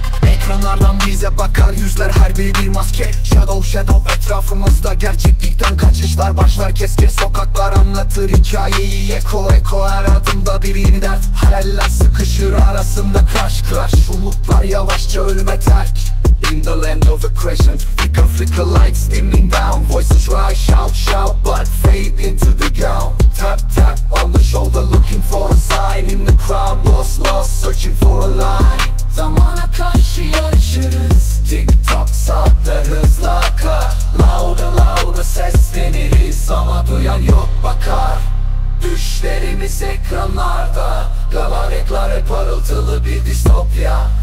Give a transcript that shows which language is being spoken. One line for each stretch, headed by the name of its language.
Turkish: Ekranlardan bize bakar yüzler, her biri bir maske.
English: Shadow shadow
Turkish: etrafımızda, gerçeklikten kaçışlar başlar. Keskin sokaklar anlatır hikayeyi.
English: Echo echo
Turkish: her adımda bir yeni dert. Hayaller sıkışır arasında,
English: crash crash.
Turkish: Umutlar yavaşça ölüme terk.
English: In the land of the crescent, flicker flicker lights dimming down. Voices rise, shout shout but fade into the ground. Tap tap on the shoulder looking for a sign. In the crowd lost lost searching for a line.
Turkish: Zamana karşı yarışırız. Tik tok saatler hızla akar.
English: Louder louder
Turkish: sesleniriz ama duyan yok bakar. Düşlerimiz ekranlarda. Galaretler hep parıltılı bir distopya.